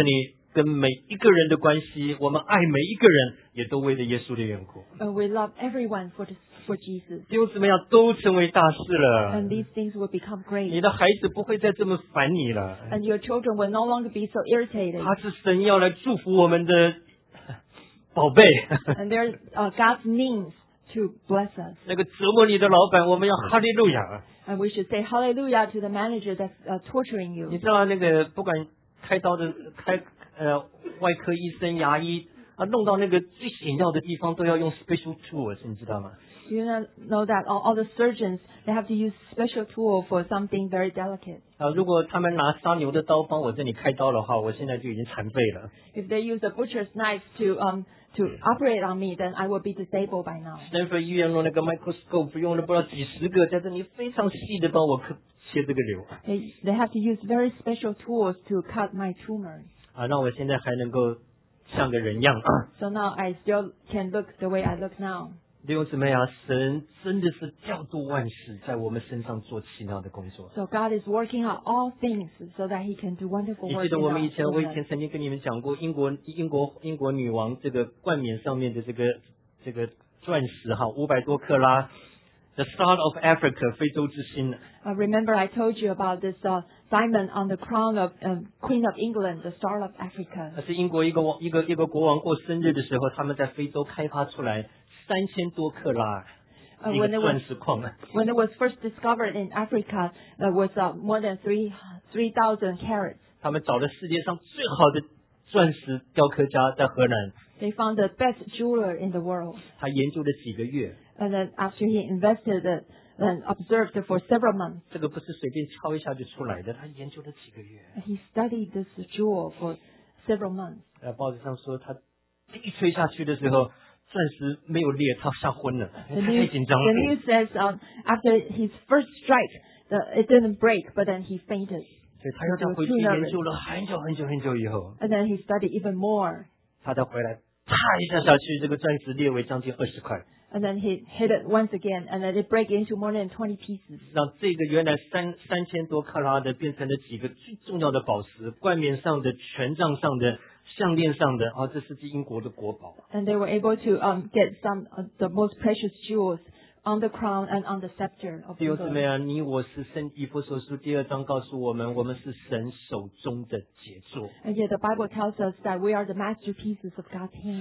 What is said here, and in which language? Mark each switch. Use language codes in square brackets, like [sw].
[zh] 我们在这里跟每一个人的关系, 我们爱每一个人, 也都为了耶稣的缘故。 [en] And we love everyone for Jesus. [zh] 弟兄姊妹都成为大事了。 [en] And these things will become great. [zh] 你的孩子不会再这么烦你了。 [en] And your children will no longer be so irritated. [zh] 他是神要来祝福我们的 宝贝。 [en] And they're God's means to bless us. [zh] 那个折磨你的老板, 我们要哈利路亚, [en] and we should say hallelujah to the manager that's torturing you. [zh] 你知道那个不管开刀的, 外科医生, 牙医, 弄到那个最险要的地方, 都要用 special tools, 你知道吗? [en] You know that all the surgeons, they have to use special tool for something very delicate. [zh] 如果他们拿杀牛的刀帮我这里开刀的话, 我现在就已经残废了。 [en] If they use a butcher's knife to operate on me, then I will be disabled by now. [zh] Stanford 医院用那个 microscope 用了不知道几十个, 在这里非常细的帮我切这个瘤。 [en] They have to use very special tools to cut my tumor. [zh] 那我现在还能够像个人样。 [en] So now I still can look the way I look now. [zh] 弟兄姊妹啊, 神真的是调度万事, 在我们身上做奇妙的工作。 [en] So God is working out all things so that he can do wonderful work. [zh] 你记得我们以前, 我以前曾经跟你们讲过, 英国女王这个冠冕上面的这个钻石哈, 500多克拉, [en] the star of Africa, [zh] 非洲之星。 [en] Remember I told you about this diamond on the crown of Queen of England, the star of Africa. [zh] 是英国一个国王过生日的时候, 他们在非洲开发出来, 3000多克拉, [en] when it was first discovered in Africa, it was more than 3000 carats. [zh] 他们找了世界上最好的钻石雕刻家在荷兰, [en] they found the best jeweler in the world. [zh] 他研究了几个月, [en] and then after he invested it and observed it for several months, [zh] 这个不是随便敲一下就出来的, 他研究了几个月, [en] he studied this jewel for several months. [zh] 报纸上说他一吹下去的时候, 钻石没有裂, 他吓昏了, [en] the news says after his first strike, it didn't break, but then he fainted. [zh] 对, 他要再回去研究了很久很久很久以后, [en] and then he studied even more. [zh] 他再回来, 啪一下下去, 这个钻石裂为将近20块。 [en] And then he hit it once again, and then it break into more than 20 pieces. [zh] 让这个原来三千多克拉的变成了几个最重要的宝石, 冠冕上的, 权杖上的, 项链上的, 啊, 这是金国的国宝。 [en] And they were able to get some of the most precious jewels on the crown and on the scepter of the Lord. [zh] 弟兄姊妹啊，你我是圣以弗所书第二章告诉我们，我们是神手中的杰作。 [en] And yet the Bible tells us that we are the masterpieces of God's hand.